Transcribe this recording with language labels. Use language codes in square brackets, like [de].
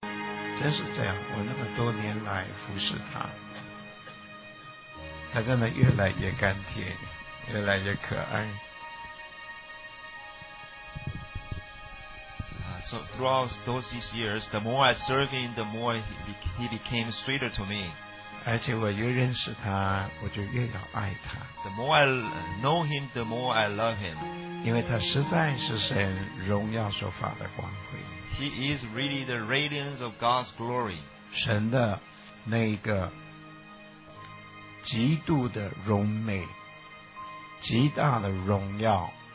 [zh] 真是这样，我那么多年来服侍他，他真的越来越甘甜，越来越可爱。 [en] So throughout those years, the more I serve him, the more he became sweeter to me. [zh] 而且我越认识他，我就越要爱他。 [en] The more I know him, the more I love him. [zh] 因为他实在是神荣耀所发的光辉。 [en] He is really the radiance of God's glory. [zh] 神的那个极度的荣美，极大的荣耀。